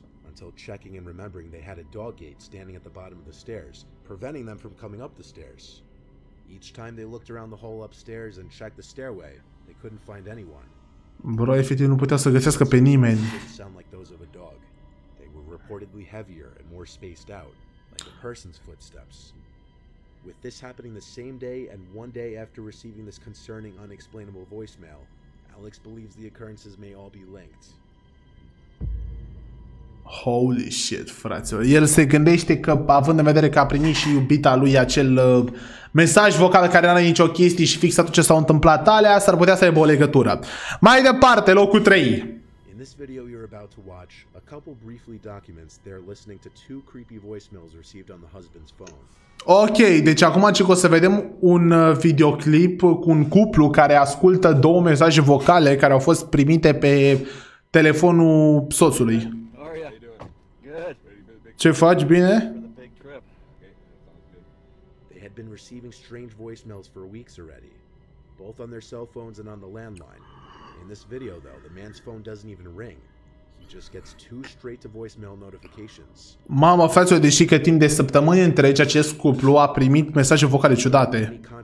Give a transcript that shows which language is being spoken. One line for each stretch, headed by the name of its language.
English: Until checking and remembering they had a dog gate standing at the bottom of the stairs, preventing them from coming up the stairs. Each time they looked around the hall upstairs and checked the stairway, they couldn't find anyone.
Romanian: Bro, efectiv nu putea să găsească pe nimeni.
English: Sound like those of a dog. They were reportedly heavier and more spaced out, like a person's footsteps. With this happening the same day and one day after receiving this concerning unexplainable voicemail, Alex believes the occurrences may all be linked. Holy shit,
Romanian: fraților. El se gândește că, având în vedere că a primit și iubita lui acel mesaj vocal care n-are nicio chestie și fix atunci ce s-a întâmplat alea, s-ar putea să aibă o legătură. Mai departe, locul 3.
English: In this video you're about to watch, a couple briefly documents they're listening to two creepy voicemails received on the husband's phone.
Romanian: Ok, deci acum ce o să vedem un videoclip cu un cuplu care ascultă două mesaje vocale care au fost primite pe telefonul soțului. Ce faci, bine?
English: They had been receiving strange voicemails for weeks already, both on their cell phones and on the landline. In this video though, the man's phone doesn't even ring. He just gets two straight to voicemail notifications.
Romanian: Mama, fraților, deși că timp de săptămâni întregi acest cuplu a primit mesaje vocale ciudate.